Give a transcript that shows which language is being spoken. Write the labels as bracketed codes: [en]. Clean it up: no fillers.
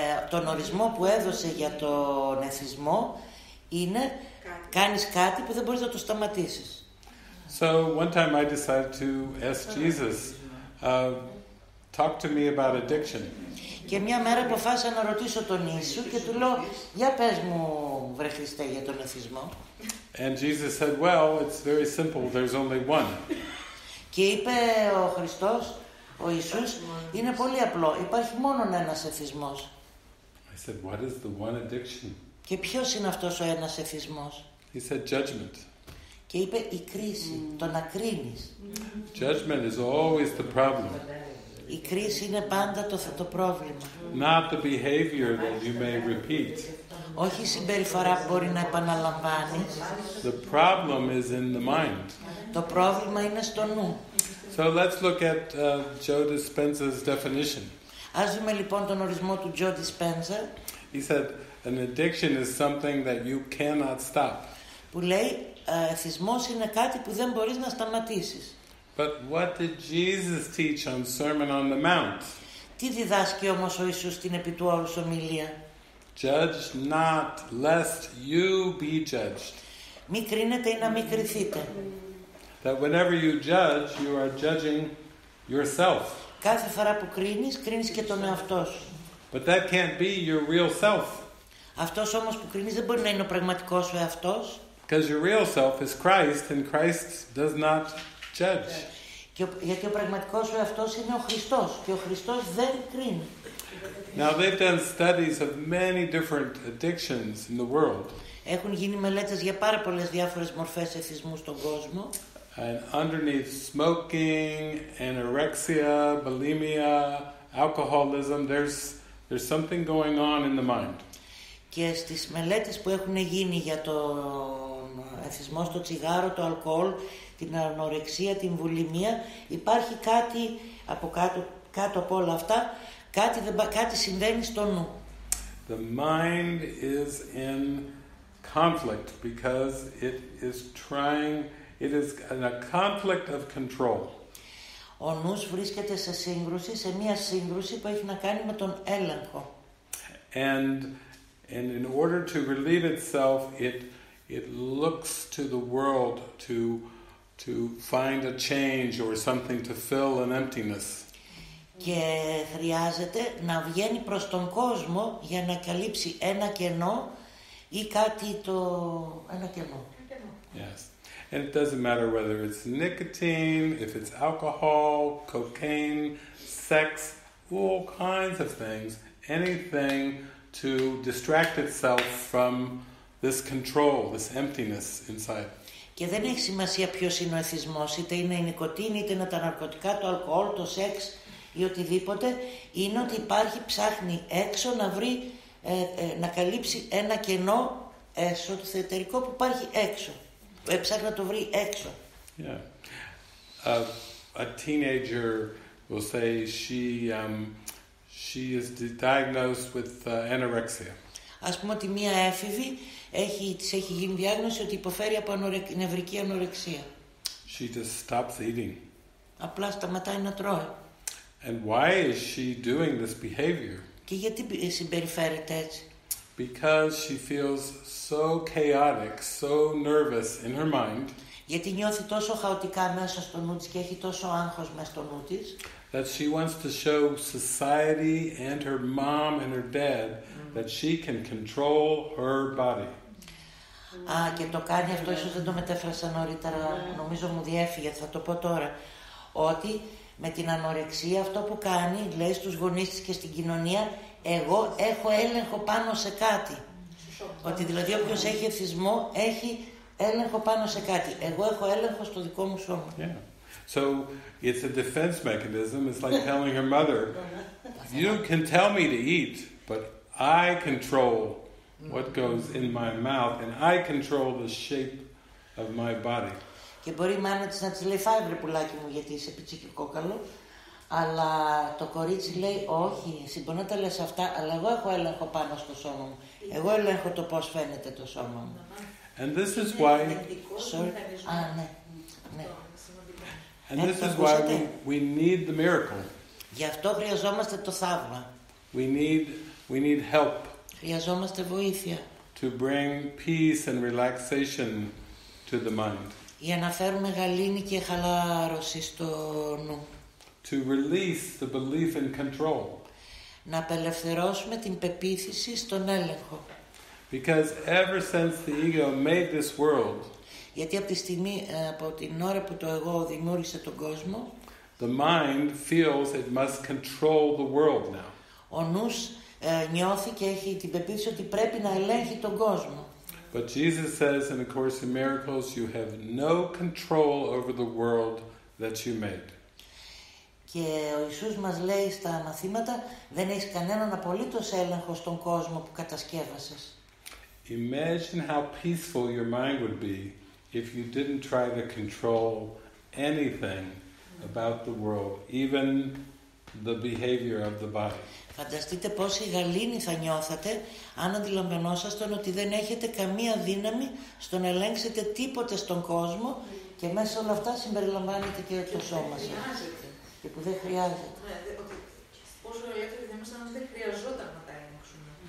[el] Τον ορισμό που έδωσε για τον εθισμό είναι κάνεις κάτι που δεν μπορείς να το σταματήσεις. [en] So one time I decided to ask Jesus, talk to me about addiction. [el] Και μια μέρα αποφάσισα να ρωτήσω τον Ιησού και του λέω, για πες μου, βρε Χριστέ, για τον εθισμό. [en] And Jesus said, well, it's very simple, there's only one. [el] Και είπε ο Χριστός, ο Ιησούς, είναι πολύ απλό. Υπάρχει μόνο ένας εθισμός. [en] I said, what is the one addiction? [el] Και ποιος είναι αυτός ο ένας εθισμός? [en] He said, judgment. [el] Και είπε η κρίση, το να κρίνεις. [en] Judgment is always the problem. [el] Η κρίση είναι πάντα το πρόβλημα. [en] Not the behavior that you may repeat. [el] Όχι η συμπεριφορά που μπορεί να επαναλαμβάνεις. [en] The problem is in the mind. [el] Το πρόβλημα είναι στο νου. [en] So let's look at Joe Dispenza's definition. [el] Ας δούμε λοιπόν τον ορισμό του Joe Dispenza. [en] He said, an addiction is something that you cannot stop. [el] Που λέει, εθισμός είναι κάτι που δεν μπορείς να σταματήσεις. [en] But what did Jesus teach on Sermon on the Mount? [el] Τι διδάσκει όμως ο Ιησούς στην επί του όρους ομιλία? [en] Judge not, lest you be judged. [el] Μη κρίνετε ή να μη κρυθείτε. [en] That whenever you judge, you are judging yourself. [el] Κάθε φορά που κρίνεις, κρίνεις και τον εαυτό σου. [en] But that can't be your real self. [el] Αυτός όμως που κρίνεις δεν μπορεί να είναι ο πραγματικός σου εαυτός. [en] Because your real self is Christ, and Christ does not judge. [el] Γιατί ο πραγματικός σου εαυτός είναι ο Χριστός, και ο Χριστός δεν κρίνει. [en] Now they've done studies of many different addictions in the world. [el] Έχουν γίνει μελέτες για πάρα πολλές διάφορες μορφές εθισμού στον κόσμο. [en] And underneath smoking, anorexia, bulimia, alcoholism, there's something going on in the mind. [el] Και στις μελέτες που έχουν γίνει για τον εθισμό στο τσιγάρο, το αλκοόλ, την ανορεξία, την βουλιμία, υπάρχει κάτι από κάτω από όλα αυτά, κάτι συμβαίνει στο νου. [en] The mind is in conflict because it is trying. It is in a conflict of control. [el] Ο νους βρίσκεται σε σύγκρουση, σε μία σύγκρουση που έχει να κάνει με τον έλεγχο. [en] And in order to relieve itself, it looks to the world to find a change or something to fill an emptiness. [el] Και χρειάζεται να βγαίνει προς τον κόσμο για να καλύψει ένα κενό ή κάτι το... ένα κενό. [en] Yes. And it doesn't matter whether it's nicotine, if it's alcohol, cocaine, sex, all kinds of things, anything to distract itself from this control, this emptiness inside. [el] Και δεν έχει σημασία ποιος είναι ο εθισμός, είτε είναι η νικοτίνη, είτε είναι τα ναρκωτικά, το αλκοόλ, το σεξ ή οτιδήποτε, είναι ότι υπάρχει, ψάχνει έξω να βρει, να καλύψει ένα κενό έσω, το θεωτερικό που υπάρχει έξω. Ψάχνει να το βρει έξω. [en] Yeah. A teenager will say she is diagnosed with anorexia. [el] Ας πούμε ότι μία έφηβη έχει γίνει διάγνωση ότι υποφέρει από νευρική ανορεξία. [en] She just stops eating. [el] Απλά σταματάει να τρώει. [en] And why is she doing this behavior? [el] Και γιατί συμπεριφέρεται έτσι? [en] Because she feels so chaotic, so nervous in her mind. [el] Γιατί νιώθει τόσο χαοτικά μέσα στο νου της και έχει τόσο άγχος μέσα στο νου της. [en] That she wants to show society and her mom and her dad that she can control her body. [el] Α, και το κάνει αυτό, ίσως δεν το μετέφρασα νωρίτερα, νομίζω μου διέφυγε, θα το πω τώρα. Ότι με την ανορεξία αυτό που κάνει, λέει στους γονείς της και στην κοινωνία, εγώ έχω έλεγχο πάνω σε κάτι. Ότι δηλαδή όποιος έχει εθισμό έχει έλεγχο πάνω σε κάτι. Εγώ έχω έλεγχο στο δικό μου σώμα. [en] So it's a defense mechanism. It's like telling her mother, you can tell me to eat, but I control what goes in my mouth and I control the shape of my body. [el] Και μπορεί η μάνα της να της λέει, φάει βρε πουλάκι μου γιατί είσαι πιτσί και κόκαλο, αλλά το κορίτσι λέει, όχι, συμπονώ τα λες αυτά, αλλά εγώ έχω έλεγχο πάνω στο σώμα μου. Εγώ έλεγχο το πώς φαίνεται το σώμα μου. [en] And this is why... [el] Α, ναι, ναι. [en] And this is why we need the miracle. [el] Γι' αυτό χρειαζόμαστε το θαύμα. [en] We need help. [el] Χρειαζόμαστε βοήθεια. [en] To bring peace and relaxation to the mind. [el] Για να φέρουμε γαλήνη και χαλάρωση στο νου. [en] To release the belief in control. [el] Να απελευθερώσουμε την πεποίθηση στον έλεγχο. [en] Because ever since the ego made this world. [el] Γιατί από τη στιγμή, από την ώρα που το εγώ δημιούργησε τον κόσμο, [en] the mind feels it must control the world now. [el] Ο νους νιώθει και έχει την πεποίθηση ότι πρέπει να ελέγχει τον κόσμο. [en] But Jesus says in A Course in Miracles, you have no control over the world that you made. [el] Και ο Ιησούς μας λέει στα μαθήματα, δεν έχεις κανέναν απολύτως έλεγχο στον κόσμο που κατασκεύασες. [en] Imagine how peaceful your mind would be if you didn't try to control anything about the world, even the behavior of the body. [el] Φανταστείτε πόση γαλήνη θα νιώθατε αν αντιλαμβανόσασταν ότι δεν έχετε καμία δύναμη στο να ελέγξετε τίποτε στον κόσμο και μέσα όλα αυτά συμπεριλαμβάνεται και το σώμα σας. Και που δεν χρειάζεται. Πόσο ελεύθεροι θα ήμασταν αν δεν χρειαζόταν να τα ελέγξουμε.